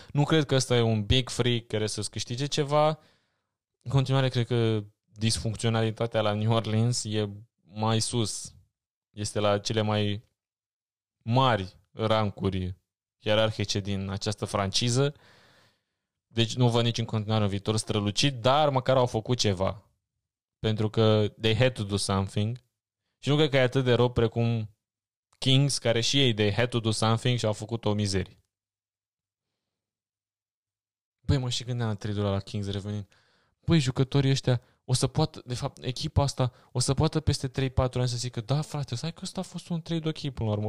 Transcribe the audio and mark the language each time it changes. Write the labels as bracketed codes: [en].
[ro] Nu cred că ăsta e un big freak care să-ți câștige ceva. În continuare cred că disfuncționalitatea la New Orleans e mai sus. Este la cele mai mari rancuri ierarhice din această franciză. Deci nu văd nici în continuare un viitor strălucit, dar măcar au făcut ceva. Pentru că [en] they had to do something. [ro] Și nu cred că e atât de rău precum Kings, care și ei [en] they had to do something [ro] și au făcut o mizerie. Băi, mă, și gândeam la trade-ul la Kings revenind. Băi, jucătorii ăștia o să poată, de fapt, echipa asta o să poată peste 3-4 ani să zică da, frate, stai că ăsta a fost un trade ok până la urmă.